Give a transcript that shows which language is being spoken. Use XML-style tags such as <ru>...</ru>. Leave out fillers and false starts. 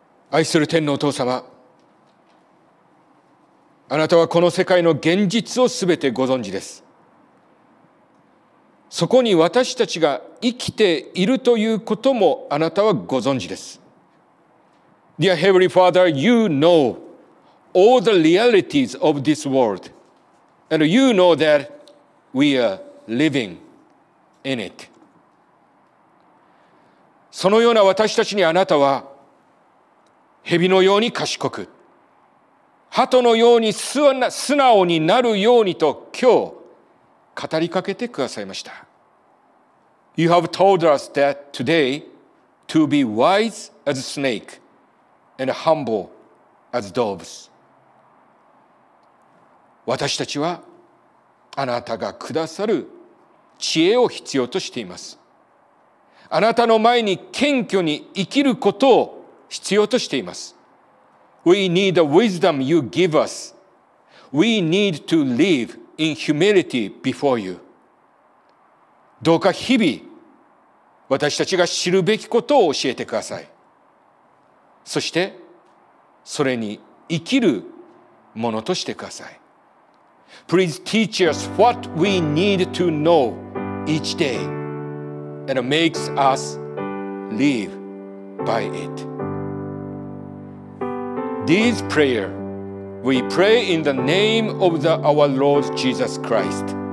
<ja>愛する天のお父様、あなたはこの世界の現実をすべてご存知です。そこに私たちが生きているということもあなたはご存知です。</ja> <en>Dear Heavenly Father, you know all the realities of this world, and you know that we are living in it.</en> <ja>そのような私たちにあなたは蛇のように賢く、鳩のように素直になるようにと今日語りかけてくださいました。</ja> <en>You have told us that today to be wise as a snake and humble as doves.</en> <ja>私たちはあなたがくださる知恵を必要としています。あなたの前に謙虚に生きることを必要としています。</ja> <en>We need the wisdom you give us. We need to live in humility before you.</en> <ja>どうか日々私たちが知るべきことを教えてください。そしてそれに生きるものとしてください。</ja> <en>Please teach us what we need to know each day and makes us live by it. This prayer we pray in the name of our Lord Jesus Christ.</en>